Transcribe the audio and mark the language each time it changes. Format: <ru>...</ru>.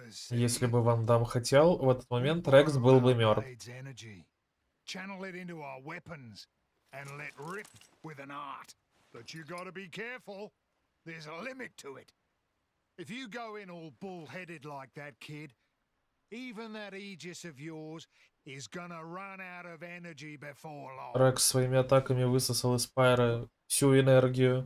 <ru>Если бы Ван Дамм хотел, в этот момент Рекс был бы мертв.</ru> <en>Channel it into our weapons and let rip with an art. But you gotta be careful. There's a limit to it. If you go in all bullheaded like that kid, even that Aegis of yours is gonna run out of energy before long.</en> <ru>Рекс своими атаками высосал из Пайры всю энергию.</ru>